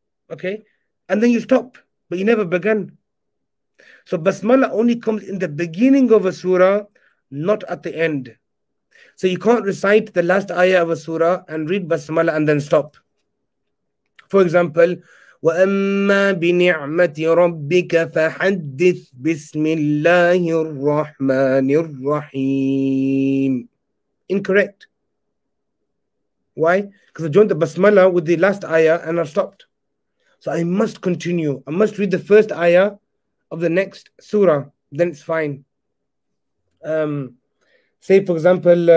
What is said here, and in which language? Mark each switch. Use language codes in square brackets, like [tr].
[en] Okay, and then you stop, but you never began. So basmala only comes in the beginning of a surah, not at the end. So you can't recite the last ayah of a surah and read basmala and then stop. For example, [ar] وَأَمَّا بِنِعْمَةِ رَبِّكَ فَحَدِّثْ بِسْمِ اللَّهِ الرَّحْمَنِ الرَّحِيمِ. [en] Incorrect. Why? Because I joined the basmala with the last ayah and I stopped. So I must continue. I must read the first ayah of the next surah. Then it's fine. Say, for example,